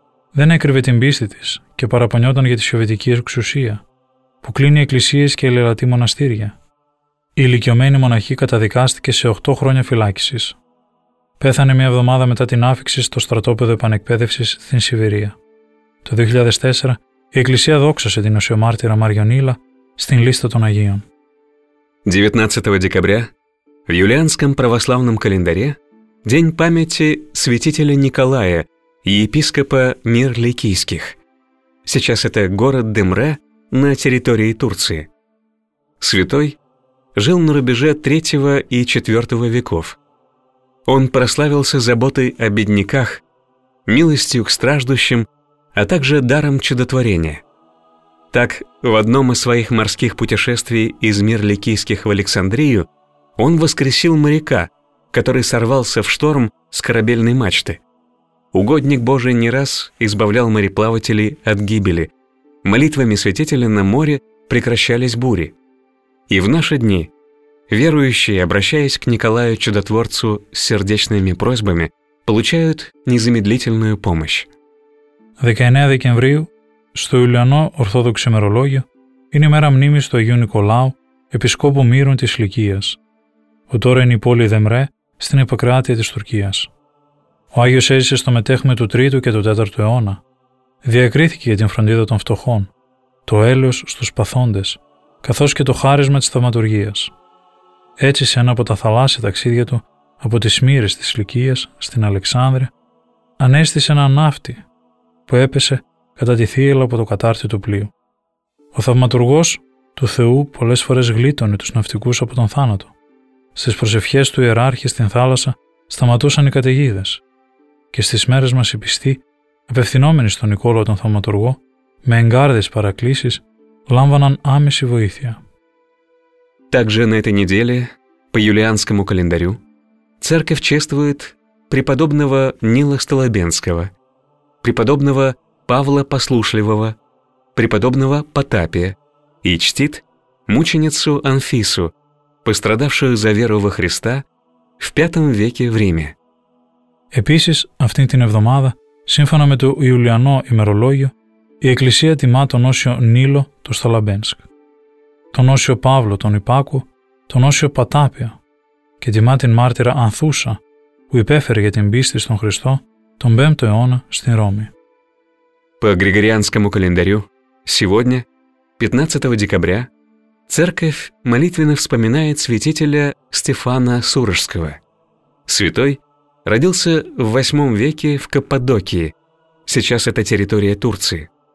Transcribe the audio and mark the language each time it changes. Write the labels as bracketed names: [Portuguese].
[Greek] Δεν έκρυβε την πίστη της και παραπονιόταν για τη σοβιετική εξουσία, που κλείνει εκκλησίες και ελαιρατή μοναστήρια. Η ηλικιωμένη μοναχή καταδικάστηκε σε 8 χρόνια φυλάκισης. Πέθανε μια εβδομάδα μετά την άφιξη στο στρατόπεδο επανεκπαίδευσης στην Σιβηρία. Το 2004 η Εκκλησία δόξασε την οσιομάρτυρα Μαριονίλα στην λίστα των Αγίων. [Russian] 19 декабря в юлианском православном календаре день памяти святителя Николая, епископа Мирликийских. Сейчас это город Демре на территории Турции. Святой жил на рубеже 3 и 4 веков. Он прославился заботой о бедняках, милостью к страждущим, а также даром чудотворения. Так, в одном из своих морских путешествий из Мирликийских в Александрию он воскресил моряка, который сорвался в шторм с корабельной мачты. Угодник Божий не раз избавлял мореплавателей от гибели. Молитвами святителя на море прекращались бури. И в наши дни верующие, обращаясь к Николаю Чудотворцу с сердечными просьбами, получают незамедлительную помощь. 19 декабря [Greek] στο Ιουλιανό Ορθόδοξο ημερολόγιο είναι η μέρα μνήμης του Αγίου Νικολάου, επισκόπου Μύρων της Λυκίας, που τώρα είναι η πόλη Δεμρέ στην υποκράτεια της Τουρκίας. Ο Άγιος έζησε στο μετέχμη του 3ου και του 4ου αιώνα. Διακρίθηκε για την φροντίδα των φτωχών, το έλεος στους παθόντες, καθώς και το χάρισμα της θαυματουργίας. Έτσι, σε ένα από τα θαλάσσια ταξίδια του από τις Μύρες της Λυκίας στην Αλεξάνδρεια, ανέστησε ένα ναύτη που έπεσε κατά τη θύελλα από το κατάρτι του πλοίου. Ο θαυματουργός του Θεού πολλές φορές γλίτωνε τους ναυτικούς από τον θάνατο. Στις προσευχές του ιεράρχη στην θάλασσα σταματούσαν οι καταιγίδες και στις μέρες μας οι πιστοί, απευθυνόμενοι στον Νικόλο τον θαυματουργό, με εγκάρδες παρακλήσεις, λάμβαναν άμεση βοήθεια. [Russian] Также на этой неделе, по юлианскому календарю, церковь чествует преподобного Нила Столобенского, преподобного Павла Послушливого, преподобного Потапия и чтит мученицу Анфису, пострадавшую за веру во Христа в V веке в Риме. [Greek] Επίσης, αυτήν την εβδομάδα, σύμφωνα με το Ιουλιανό ημερολόγιο, η Εκκλησία τιμά τον Όσιο Νίλο του Σταλαμπένσκ, τον Όσιο Παύλο τον Υπάκου, τον Όσιο Πατάπια και τιμά την μάρτυρα Ανθούσα που υπέφερε για την πίστη στον Χριστό τον 5ο αιώνα στην Ρώμη. [Russian] По Григорианскому календарю, сегодня, 15 декабря, церковь молитвенно вспоминает святителя Стефана Сурожского. Святой родился в 8 веке в Каппадокии, сейчас это территория Турции.